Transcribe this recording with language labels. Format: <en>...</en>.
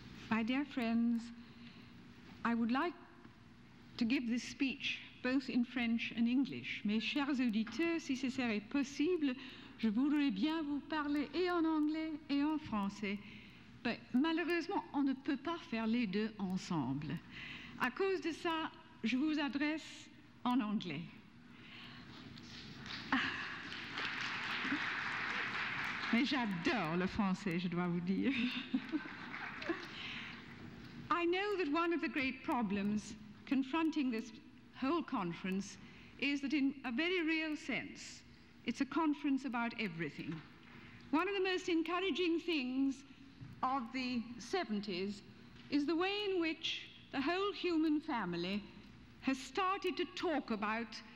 <en>My dear friends, I would like to give this speech both in French and English.</en> <fr>Mes chers auditeurs, si ce serait possible, je voudrais bien vous parler et en anglais et en français. Mais malheureusement, on ne peut pas faire les deux ensemble. À cause de ça, je vous adresse en anglais. Mais j'adore le français, je dois vous dire.</fr> <en>I know that one of the great problems confronting this whole conference is that in a very real sense, it's a conference about everything. One of the most encouraging things of the 70s is the way in which the whole human family has started to talk about</en>